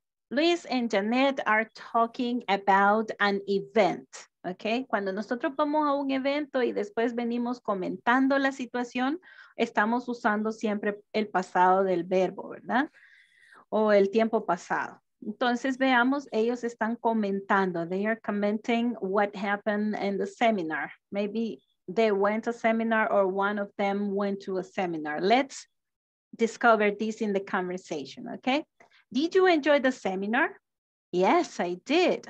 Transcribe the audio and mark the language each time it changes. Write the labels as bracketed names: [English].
[English] Luis and Janet are talking about an event. [Spanish] Okay, cuando nosotros vamos a un evento y después venimos comentando la situación, estamos usando siempre el pasado del verbo, ¿verdad? O el tiempo pasado. Entonces veamos, ellos están comentando. [English] They are commenting what happened in the seminar. Maybe they went to a seminar or one of them went to a seminar. Let's discover this in the conversation, okay? Did you enjoy the seminar? Yes, I did.